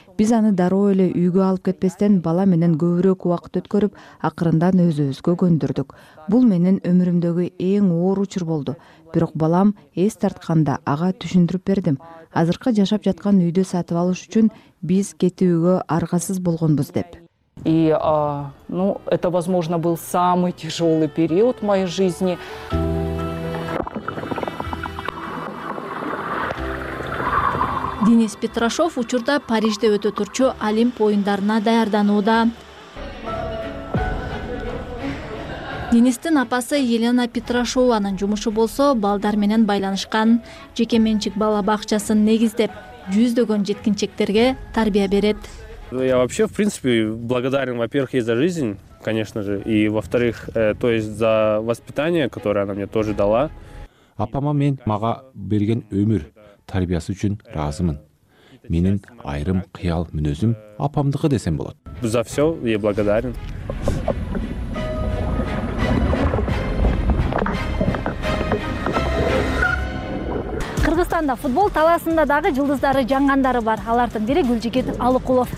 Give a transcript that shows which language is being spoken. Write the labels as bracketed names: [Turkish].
[Kyrgyz] Биз аны дароо эле үйгө алып кетпестен бала менен көбүрөөк убакыт өткөрүп, акырындан өзүбүзгө көндүрдүк. Бул менин өмүрүмдөгү эң оор учур болду. Бирок балам эс тартканда ага түшүндүрүп бердим. Азыркы жашап жаткан үйдү сатып алыш үчүн биз кетүүгө аргасыз болгонбуз деп. [Russian] И, ну, это, возможно, был самый тяжёлый период в моей жизни. [Kyrgyz] Денис Петрашов учурда Парижде өтө турчу Олимп оюндарына даярданууда. Денистин апасы Елена Петрашованын жумушу болсо, балдар менен байланышкан. Жеке менчик бала бакчасын негиздеп, жүздөгөн жеткинчектерге тарбия берет. [Russian] Я вообще, в принципе, благодарен, во-первых, ей за жизнь, конечно же, и во-вторых, то есть за воспитание, которое она мне тоже дала. [Kyrgyz] Апама мен мага берген өмүр тарбиясы үчүн разымын. Менин айрым кыял мүнөзүм апамдыгы десем болот. [Russian] За всё я благодарен. [Kyrgyz] Кыргызстанда футбол таласында дагы жылдыздары жангандары бар. Алардын бири Гүлжигит Алыкулов.